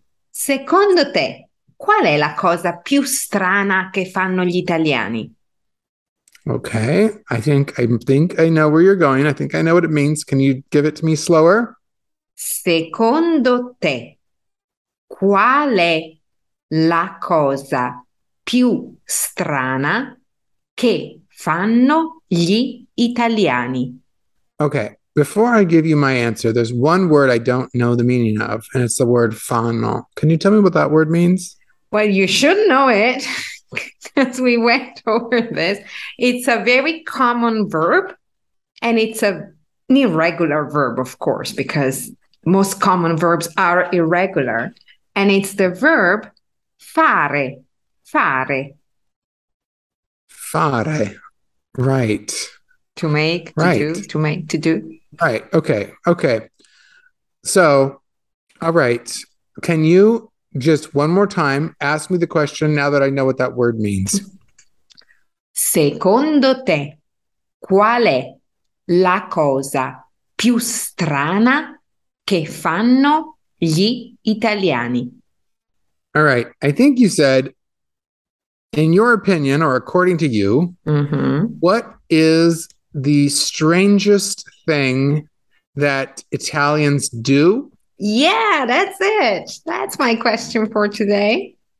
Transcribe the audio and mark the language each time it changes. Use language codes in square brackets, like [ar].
[it] Secondo te, qual è la cosa più strana che fanno gli italiani? [en] Okay, I think I know where you're going. I think I know what it means. Can you give it to me slower? [it] Secondo te, qual è la cosa più strana che fanno gli italiani? [en] Okay, before I give you my answer, there's one word I don't know the meaning of, and it's the word fanno. Can you tell me what that word means? Well, you should know it because we went over this. It's a very common verb and it's an irregular verb, of course, because most common verbs are irregular. And it's the verb fare, fare. Fare, right. To make, to right. Do, to make, to do. Right, okay, okay. So, all right, can you... just one more time, ask me the question now that I know what that word means. [it] Secondo te, qual è la cosa più strana che fanno gli italiani? [en] All right. I think you said, in your opinion, or according to you, What is the strangest thing that Italians do? Yeah, that's it. That's my question for today.